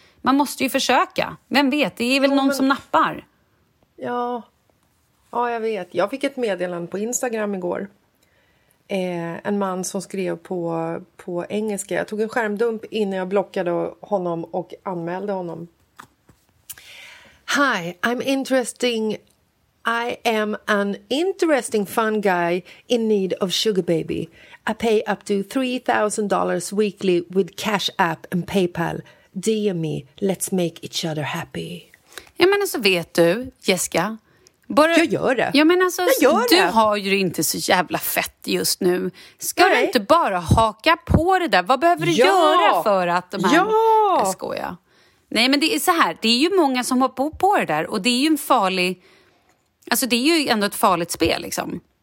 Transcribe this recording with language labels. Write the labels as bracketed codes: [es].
[sv] Man måste ju försöka. Vem vet? Det är väl någon som nappar. Ja. Ja, jag vet. Jag fick ett meddelande på Instagram igår. En man som skrev på engelska. Jag tog en skärmdump innan jag blockade honom och anmälde honom. [en] Hi, I'm interesting. I am an interesting fun guy in need of sugar baby. I pay up to $3,000 weekly with Cash App and PayPal. DM me, let's make each other happy. [sv] Ja, men så vet du, Jessica. Bara, jag gör det. Ja, men alltså, har ju inte så jävla fett just nu. Ska du inte bara haka på det där? Vad behöver du göra för att de här... Ja! Jag skojar. Nej, men det är så här. Det är ju många som har på det där. Och det är ju en farlig... Alltså, det är ju ändå ett farligt spel, liksom.